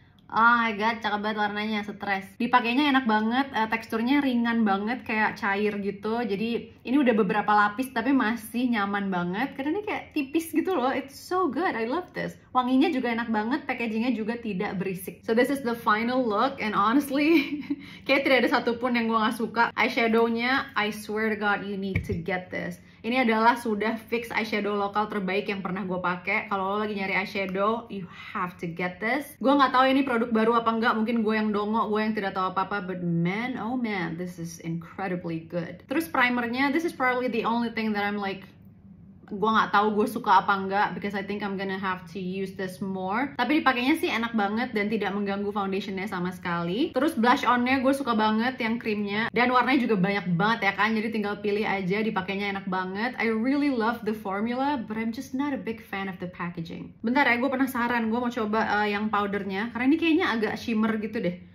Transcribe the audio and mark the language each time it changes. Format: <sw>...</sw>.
<id>Oh my god, cakep banget warnanya, stres. Dipakainya enak banget, teksturnya ringan banget, kayak cair gitu. Jadi ini udah beberapa lapis tapi masih nyaman banget. Karena ini kayak tipis gitu loh,</id> <en>it's so good, I love this.</en> <id>Wanginya juga enak banget, packagingnya juga tidak berisik.</id> <en>So this is the final look, and honestly</en> <id>kayak tidak ada satupun yang gue gak suka.</id> <en>Eyeshadow-nya, I swear to god you need to get this.</en> <id>Ini adalah sudah fix eyeshadow lokal terbaik yang pernah gue pakai. Kalau lo lagi nyari eyeshadow,</id> <en>you have to get this.</en> <id>Gue nggak tahu ini produk baru apa enggak. Mungkin gue yang dongok, gue yang tidak tahu apa-apa.</id> <en>But man, oh man, this is incredibly good.</en> <id>Terus primernya,</id> <en>this is probably the only thing that I'm like,</en> <id>gue nggak tahu gue suka apa enggak,</id> <en>because I think I'm gonna have to use this more.</en> <id>Tapi dipakainya sih enak banget dan tidak mengganggu foundationnya sama sekali. Terus blush onnya gue suka banget yang krimnya, dan warnanya juga banyak banget ya kan, jadi tinggal pilih aja, dipakainya enak banget.</id> <en>I really love the formula, but I'm just not a big fan of the packaging.</en> <id>Bentar ya, gue penasaran, gue mau coba yang powdernya, karena ini kayaknya agak shimmer gitu deh.</id>